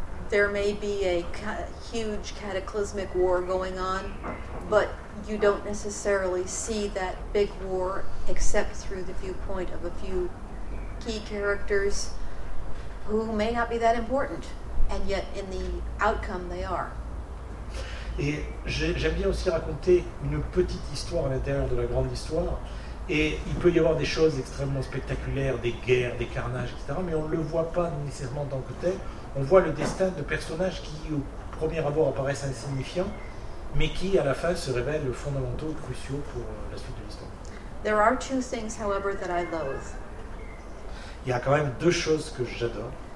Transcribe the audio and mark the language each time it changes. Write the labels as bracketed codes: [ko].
[en] There may be a huge cataclysmic war going on, but you don't necessarily see that big war except through the viewpoint of a few key characters who may not be that important, and yet in the outcome they are. [fr] Et j'aime bien aussi raconter une petite histoire à l'intérieur de la grande histoire, et il peut y avoir des choses extrêmement spectaculaires, des guerres, des carnages, etc., mais on ne le voit pas nécessairement en tant que tel. On voit le destin de personnages qui, au premier abord, apparaissent insignifiants, mais qui, à la fin, se révèlent fondamentaux, cruciaux pour la suite de l'histoire. [en] There are two things, however, that I loathe. [fr] Il y a quand même deux choses que j'adore.